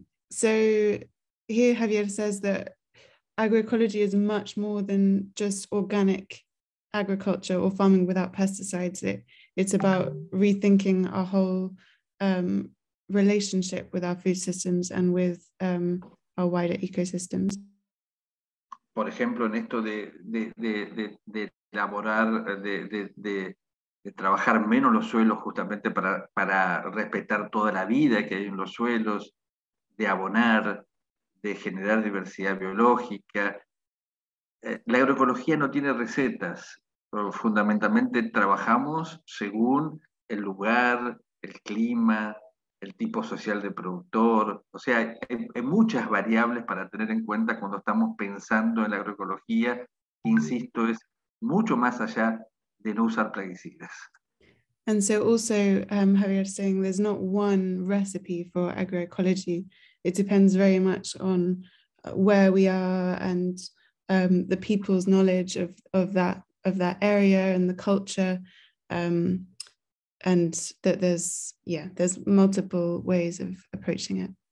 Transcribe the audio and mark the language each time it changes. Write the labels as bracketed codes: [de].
[en] So here Javier says that agroecology is much more than just organic agriculture or farming without pesticides. It's about rethinking our whole relationship with our food systems and with our wider ecosystems. [es] Por ejemplo, en esto de elaborar, de trabajar menos los suelos justamente para respetar toda la vida que hay en los suelos, de abonar, de generar diversidad biológica. La agroecología no tiene recetas, pero fundamentalmente trabajamos según el lugar, el clima, el tipo social de productor. O sea, hay muchas variables para tener en cuenta cuando estamos pensando en la agroecología. Insisto, es mucho más allá de no usar plaguicidas. [en] And so also, Javier saying there's not one recipe for agroecology. It depends very much on where we are and the people's knowledge of that area and the culture, and that there's multiple ways of approaching it.